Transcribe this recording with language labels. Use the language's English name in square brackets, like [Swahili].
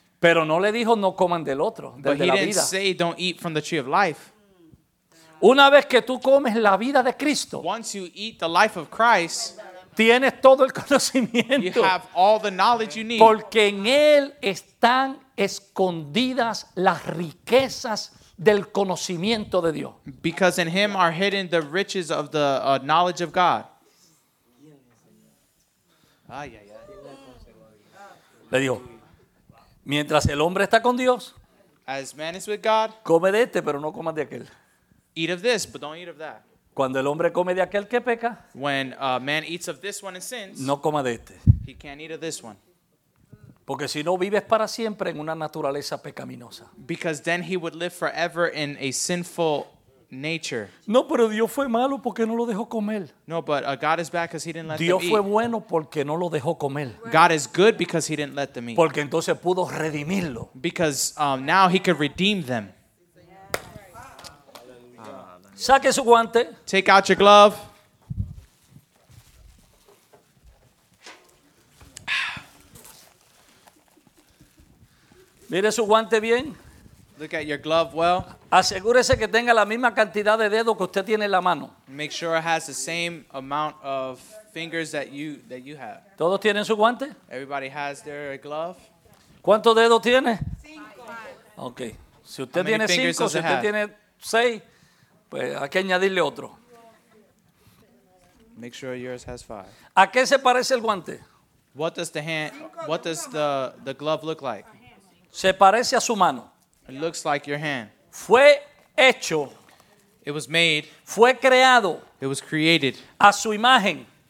[Spanish] Pero no le dijo no coman del otro, del [English] But [Spanish] de la vida. [English] But he didn't say don't eat from the tree of life. [Spanish] Una vez que tú comes la vida de Cristo, [English] once you eat the life of Christ, [Spanish] tienes todo el conocimiento. [English] You have all the knowledge you need. [Spanish] Porque en él están escondidas las riquezas del conocimiento de Dios. [English] Because in him are hidden the riches of the knowledge of God. Ay, ay, ay. [Spanish] Le dijo, mientras el hombre está con Dios, [English] as man is with God, [Spanish] come de este, pero no comas de aquel. [English] Eat of this, but don't eat of that. [Spanish] Cuando el hombre come de aquel que peca, [English] when a man eats of this one and sins, [Spanish] no coma de este. [English] He can't eat of this one. [Spanish] Porque si no vives para siempre en una naturaleza pecaminosa. [English] Because then he would live forever in a sinful nature. [Spanish] No, pero Dios fue malo porque no lo dejó comer. [English] No, but God is bad because he didn't let [Spanish] Dios [English] them [Spanish] fue [English] eat. [Spanish] Bueno porque no lo dejó comer. [English] God is good because he didn't let them eat. [Spanish] Porque entonces pudo redimirlo. [English] Because now he could redeem them. [Spanish] Saque su guante. [English] Take out your glove. [Spanish] Mire su guante bien. [English] Look at your glove well. [Spanish] Asegúrese que tenga la misma cantidad de dedos que usted tiene en la mano. [English] Make sure it has the same amount of fingers that you have. [Spanish] ¿Todos tienen su guante? [English] Everybody has their glove. [Spanish] ¿Cuántos dedos tiene? Cinco. [English] Okay. [Spanish] Si usted tiene cinco, si usted tiene seis, pues hay que añadirle otro. [English] Make sure yours has five. [Spanish] ¿A qué se parece el guante? [English] What does the hand, what does the glove look like? [Spanish] Se parece a su mano. [English] It looks like your hand. [Spanish] Fue hecho. [English] It was made. [Spanish] Fue creado. [English] It was created. [Spanish] A su imagen.